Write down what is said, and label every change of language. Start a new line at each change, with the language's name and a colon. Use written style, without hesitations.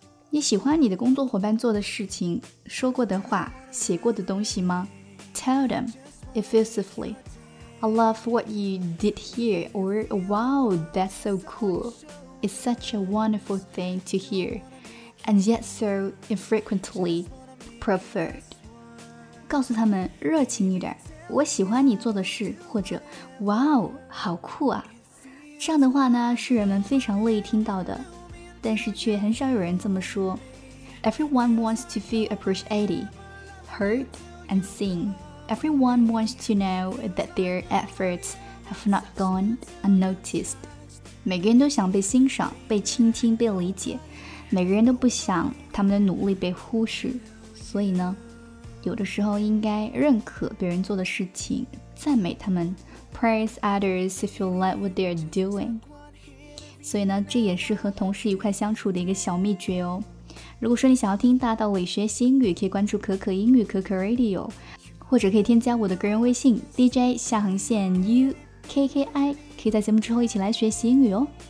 Chinese: 你喜欢你的工作伙伴做的事情说过的话写过的东西吗
English: Tell them effusively. I love what you did here, or wow, that's so cool. It's such a wonderful thing to hear, and yet so infrequently preferred.
Chinese: 告诉他们热情一点，我喜欢你做的事，或者 wow, 好酷啊。这样的话呢，是人们非常乐意听到的，但是却很少有人这么说。
English: Everyone wants to feel appreciated, heard, and seen. Everyone wants to know that their efforts have not gone unnoticed.
Chinese: 每个人都想被欣赏、被倾听、被理解。每个人都不想他们的努力被忽视。所以呢，有的时候应该认可别人做的事情，赞美他们。
English: Praise others if you like what they're doing.
Chinese: 所以呢，这也是和同事愉快相处的一个小秘诀哦。如果说你想要听大道理学习英语，可以关注可可英语可可 Radio。或者可以添加我的个人微信 DJ 下横线 UKKI 可以在节目之后一起来学习英语哦